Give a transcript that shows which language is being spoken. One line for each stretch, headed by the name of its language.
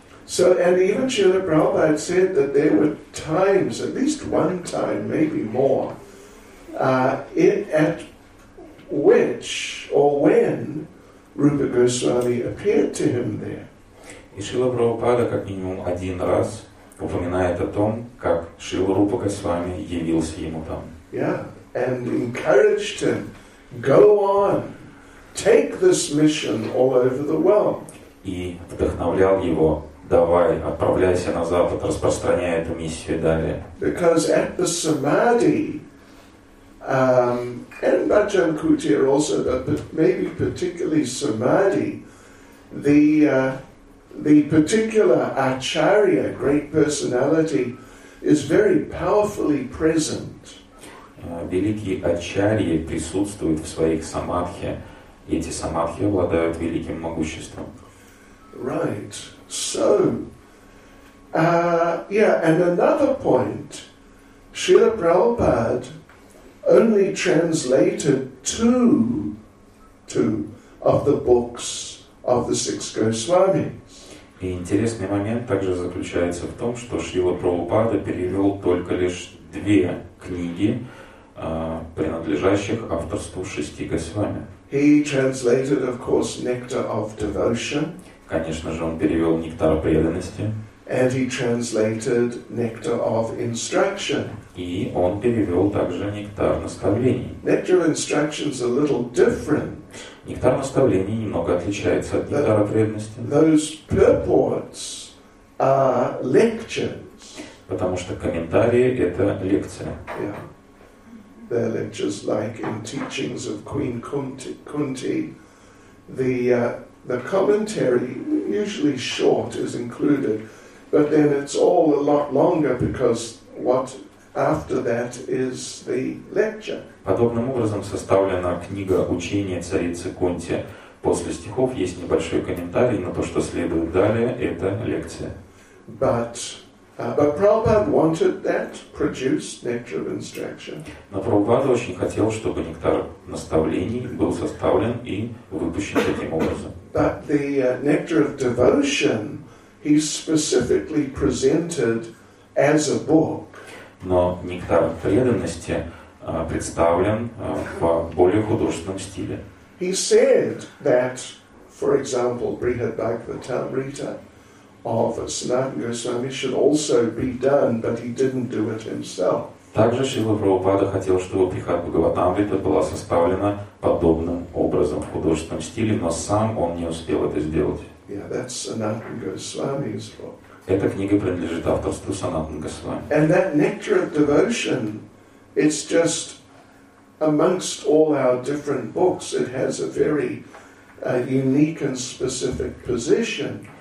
English: So, and even Śrīla Prabhupāda said that there were times, at least one time, maybe more, at which or when Rupa Goswami appeared to him there.
Russian: И Шрила Прабхупада как минимум один раз упоминает о том, как Шрила Рупа Госвами явился ему там.
English: Yeah, and encouraged him, go on, take this mission all over the world.
Russian: И вдохновлял его, давай, отправляйся на запад, распространяй эту миссию далее.
English: Because at the samadhi, and Bhajan Kutir also, but maybe particularly Samadhi, the particular Acharya, great personality, is very powerfully present.
Russian: Великие Ачарьи присутствуют в своих самадхи, и эти самадхи обладают великим могуществом.
English: Right. So, And another point, Srila Prabhupada only translated two of the books of the six Goswamis.
Russian: И интересный момент также заключается в том, что Шрила Прабхупада перевел только лишь две книги, принадлежащих авторству шести Госвами.
English: He translated, of course, Nectar of Devotion.
Russian: Конечно же, он перевел Нектар преданности.
English: And he translated Nectar of Instruction.
Russian: И он перевел также Нектар наставлений.
English: Nectar of Instruction is a little different.
Russian: Нектар наставлений немного отличается от Нектара преданности.
English: Those purports are lectures.
Russian: Потому что комментарии — это лекция.
English: They're lectures like in teachings of Queen Kunti. The commentary, usually short, is included. But then it's all a lot longer because what after that is the lecture.
Russian: Подобным образом составлена книга учения царицы Кунти. После стихов есть небольшой комментарий, но то, что следует далее, это лекция.
English: But Prabhupada wanted that produced Nectar of Instruction.
Russian: Но Прабхупада очень хотел, чтобы Нектар наставлений был составлен и выпущен таким образом.
English: But the Nectar of Devotion he specifically presented as a book.
Russian: Но Нектар преданности представлен в более художественном стиле.
English: He said that, for example, Brihadbhagavatamrita of Sanatana Goswami should also be done, but he didn't do it himself.
Russian: Также Шрила Прабхупада хотел, чтобы Брихадбхагаватамрита была составлена подобным образом в художественном стиле, но сам он не успел это сделать.
English: Yeah, that's Sanatana Goswami's book.
Russian: Эта книга принадлежит авторству Санатана Госвами.
English: And that Nectar of Devotion, it's just amongst all our different books, it has a very unique and specific position.